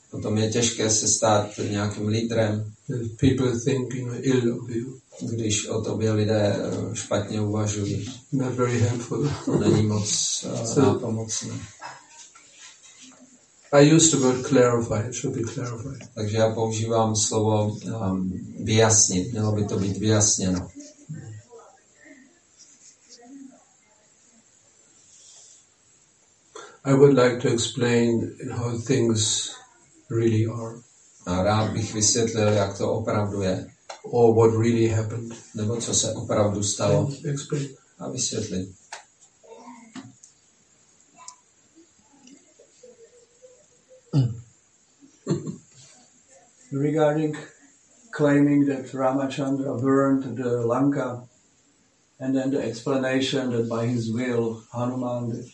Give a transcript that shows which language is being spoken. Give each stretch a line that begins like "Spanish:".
Czech: A tom je těžké se stát nějakým lídrem.
English: If people think, you know, ill of you.
Czech: Když o tobě lidé špatně uvažují.
English: Not very helpful.
Czech: To není moc nápomocné.
English: I used the word clarify, it should be clarified.
Czech: Takže já používám slovo vyjasnit, mělo by to být vyjasněno.
English: I would like to explain how things really are.
Czech: A rád bych vysvětlil, jak to opravdu je.
English: Or what really happened.
Czech: Nebo co se opravdu stalo.
English: Explain.
Czech: A vysvětlit.
English: Regarding claiming that Ramachandra burned the Lanka and then the explanation that by his will Hanuman did.